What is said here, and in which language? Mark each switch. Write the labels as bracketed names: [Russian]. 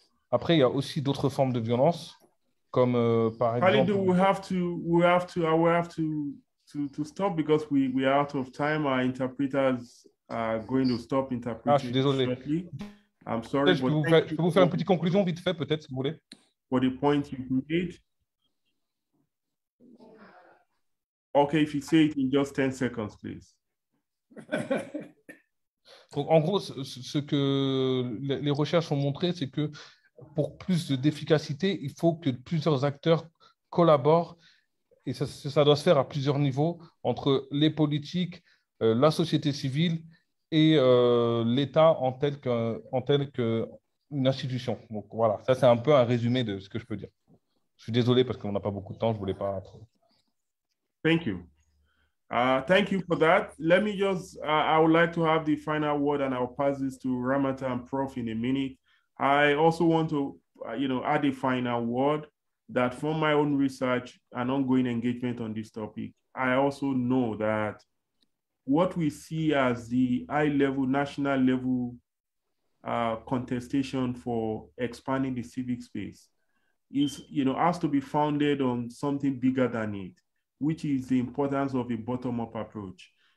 [French] Après, il y a aussi d'autres formes de violence, comme par exemple. [English] Khalidou, we have to stop because we are out of time. Our interpreters are going to stop interpreting. [French] Ah, je suis désolé. [English] Shortly. I'm sorry. [French] Je peux vous faire une petite conclusion vite fait, peut-être, si vous voulez. [English] For the point you made. Okay, if you say it in just 10 seconds, please. [French] Donc, en gros, ce que les recherches ont montré, c'est que pour plus d'efficacité, il faut que plusieurs acteurs collaborent, et ça doit se faire à plusieurs niveaux, entre les politiques, la société civile et l'État en tel qu'une institution. Donc voilà, ça c'est un peu un résumé de ce que je peux dire. Je suis désolé parce qu'on n'a pas beaucoup de temps, je ne voulais pas trop. [English] Thank you. Thank you for that. Let me just, I would like to have the final word and I'll pass this to Ramata and Prof in a minute. I also want to, add a final word that from my own research and ongoing engagement on this topic, I also know that what we see as the high-level, national-level contestation for expanding the civic space is, has to be founded on something bigger than it, which is the importance of a bottom-up approach.